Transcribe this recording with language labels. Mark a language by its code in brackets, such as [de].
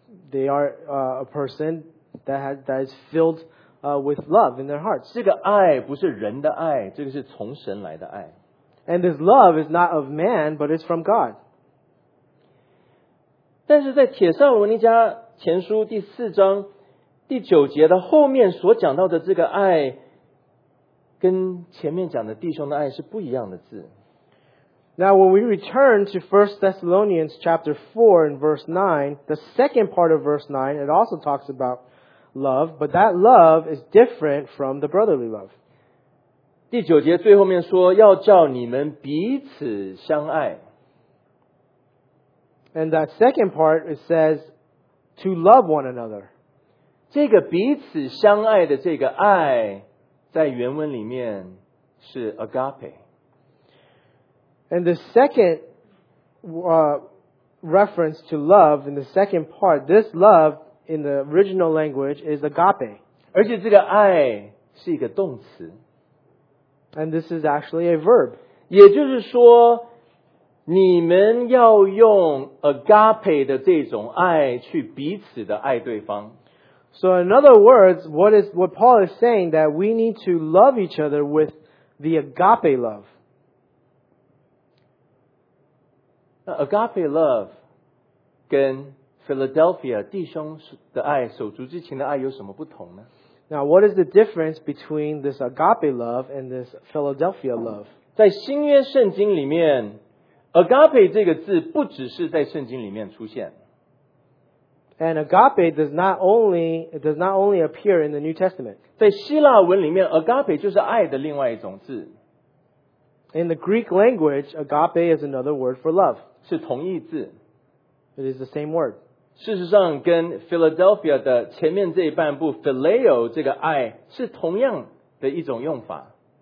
[en] They are a person that is filled with love in their hearts. [zh] 这个爱不是人的爱这个是从神来的爱 [en] And this love is not of man but it's from God. [zh] 但是在帖撒罗尼迦前书第四章第九节的后面所讲到的这个爱跟前面讲的弟兄的爱是不一样的字。 [en] Now when we return to 1 Thessalonians chapter 4 and verse 9, the second part of verse 9, it also talks about love, but that love is different from the brotherly love. [zh] 第九节最后面说要叫你们彼此相爱。 [en] And that second part, it says to love one another. [zh] 这个彼此相爱的这个爱在原文里面是 agape. [en] And the second reference to love in the second part, this love in the original language is agape. [zh] 而且这个爱是一个动词。 [en] And this is actually a verb. [zh] 也就是说你们要用 agape 的这种爱去彼此的爱对方。 [en] So in other words, what Paul is saying that we need to love each other with the agape love. [zh] Agape love 跟 Philadelphia 弟兄的爱、手足之情的爱有什么不同呢？ [en] Now what is the difference between this agape love and this Philadelphia love? [zh] 在新约圣经里面 agape 这个字不只是在圣经里面出现。 [en] And agape does not only appear in the New Testament. [zh] 在希腊文里面 agape 就是爱的另外一种字。 [en] In the Greek language, agape is another word for love. [zh] 是同义字。 [en] It is the same word. [zh] 事实上跟 Philadelphia 的前面这一半部 phileo 这个爱是同样的一种用法。